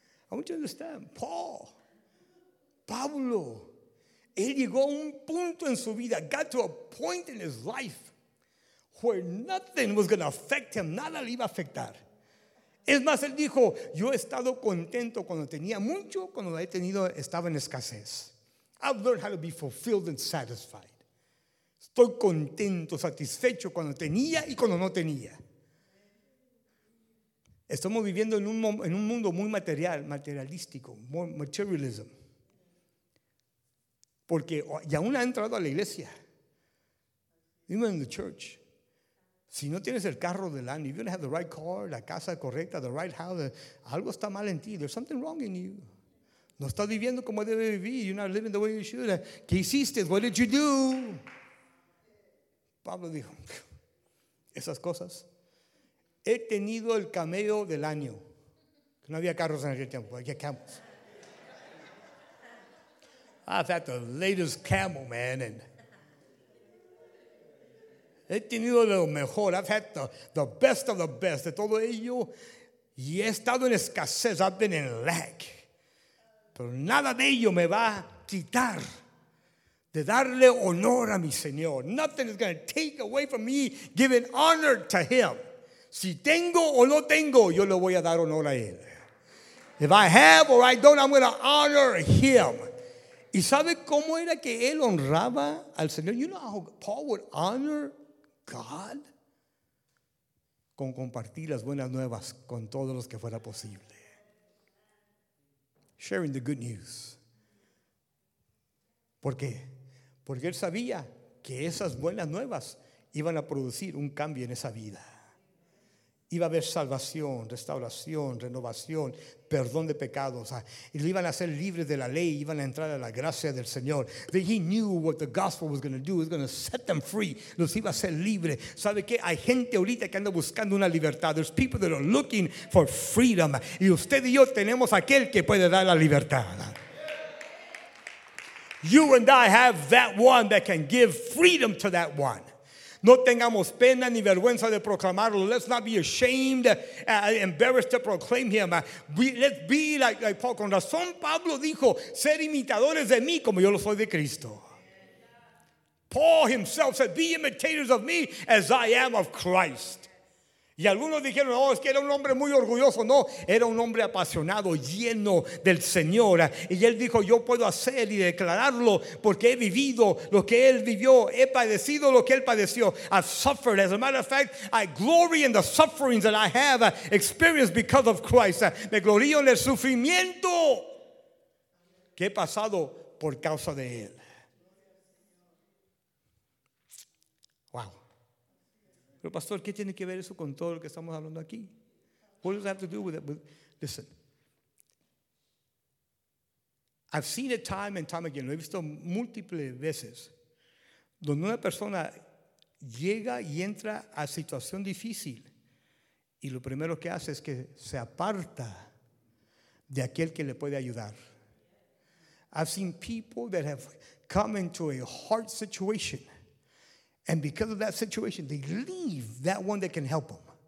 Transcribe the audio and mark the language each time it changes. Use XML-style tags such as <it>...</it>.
<en>I want you to understand.</en> <es>Pablo, él llegó a un punto en su vida,</es> <en>got to a point in his life where nothing was going to affect him.</en> <es>Nada le iba a afectar. Es más, él dijo, yo he estado contento cuando tenía mucho, cuando he tenido, estaba en escasez.</es> <en>I've learned how to be fulfilled and satisfied.</en> <es>Estoy contento, satisfecho cuando tenía y cuando no tenía. Estamos viviendo en un mundo muy material, materialístico, materialism. Porque ya uno ha entrado a la iglesia.</es> <en>Even in the church.</en> <es>Si no tienes el carro del año,</es> <en>if you don't have the right car,</en> <es>la casa correcta,</es> <en>the right house,</en> <es>algo está mal en ti.</es> <en>There's something wrong in you.</en> <es>No estás viviendo como debe vivir.</es> <en>You're not living the way you should.</en> <es>¿Qué hiciste?</es> <en>What did you do?</en> <es>Pablo dijo, esas cosas. He tenido el camello del año. No había carros en aquel tiempo. Había camels.</es> <en>I've had the latest camel, man, and</en> <es>he tenido lo mejor.</es> <en>I've had the best of the best.</en> <es>De todo ello, y he estado en escasez.</es> <en>I've been in lack.</en> <es>Pero nada de ello me va a quitar de darle honor a mi Señor.</es> <en>Nothing is going to take away from me giving honor to Him.</en> <es>Si tengo o no tengo, yo le voy a dar honor a Él.</es> <en>If I have or I don't, I'm going to honor Him.</en> <es>¿Y sabe cómo era que él honraba al Señor?</es> <en>You know how Paul would honor God?</en> <es>Con compartir las buenas nuevas con todos los que fuera posible.</es> <en>Sharing the good news.</en> <es>¿Por qué? Porque él sabía que esas buenas nuevas iban a producir un cambio en esa vida. Iba a haber salvación, restauración, renovación, perdón de pecados. Y le iban a ser libres de la ley, iban a entrar a la gracia del Señor.</es> <en>That he knew what the gospel was going to do. It was going to set them free.</en> <es>Los iba a ser libres. ¿Sabe qué? Hay gente ahorita que anda buscando una libertad.</es> <en>There's people that are looking for freedom.</en> <es>Y usted y yo tenemos aquel que puede dar la libertad.</es> <en>You and I have that one that can give freedom to that one.</en> <es>No tengamos pena ni vergüenza de proclamarlo.</es> <en>Let's not be ashamed, embarrassed to proclaim him. Let's be like Paul.</en> <es>Con razón Pablo dijo, ser imitadores de mí como yo lo soy de Cristo.</es> <en>Paul himself said, be imitators of me as I am of Christ.</en> <es>Y algunos dijeron, oh, es que era un hombre muy orgulloso. No, era un hombre apasionado, lleno del Señor. Y él dijo, yo puedo hacer y declararlo porque he vivido lo que él vivió. He padecido lo que él padeció.</es> <en>I've suffered. As a matter of fact, I glory in the sufferings that I have experienced because of Christ.</en> <es>Me glorío en el sufrimiento que he pasado por causa de él. Pero pastor, ¿qué tiene que ver eso con todo lo que estamos hablando aquí?</es> <en>What does that have to do with it? Listen. I've seen it time and time again.</en> <es>Lo he visto múltiples veces. Donde una persona llega y entra a situación difícil y lo primero que hace es que se aparta de aquel que le puede ayudar.</es> <en>I've seen people that have come into a hard situation. And because of that situation, they leave that one that can help them.</en>